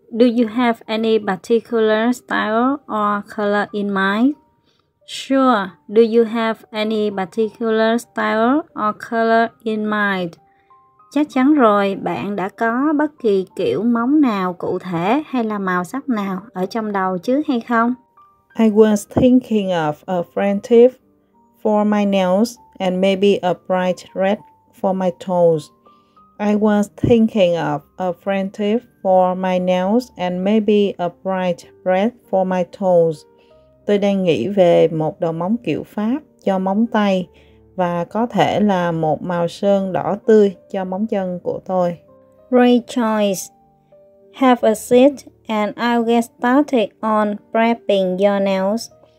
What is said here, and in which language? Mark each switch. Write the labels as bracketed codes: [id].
[en] Do you have any particular style or color in mind? Sure. Do you have any particular style or color in mind? [vi] Chắc chắn rồi, bạn đã có bất kỳ kiểu móng nào cụ thể hay là màu sắc nào ở trong đầu chứ hay không? [en] I was thinking of a front tip for my nails and maybe a bright red for my toes. I was thinking of a front tip for my nails and maybe a bright red for my toes. [vi] Tôi đang nghĩ về một đầu móng kiểu Pháp cho móng tay và có thể là một màu sơn đỏ tươi cho móng chân của tôi. [en] Great choice. Have a seat and I'll get started on prepping your nails.